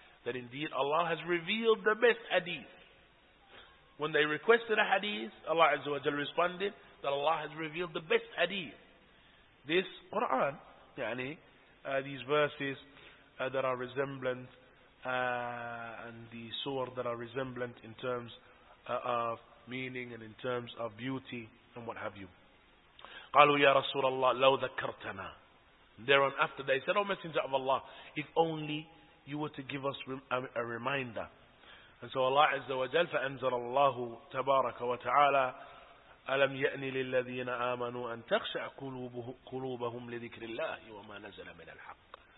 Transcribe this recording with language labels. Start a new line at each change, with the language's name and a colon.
English: That indeed Allah has revealed the best hadith. When they requested a hadith, Allah Azza wa Jalla responded that Allah has revealed the best hadith. This Quran, yani, these verses that are resemblant, and the surah that are resemblant in terms of meaning and in terms of beauty and what have you.
Arabic: قالوا يا رسول الله لو ذكرتنا.
English: Thereon after they said, oh Messenger of Allah, if only you were to give us a reminder. And so Allah Azza wa Jal,
Arabic: فأنزل الله تبارك وتعالى ألم يأني للذين آمنوا أن تخشع قلوبهم لذكر الله وما نزل من الحق.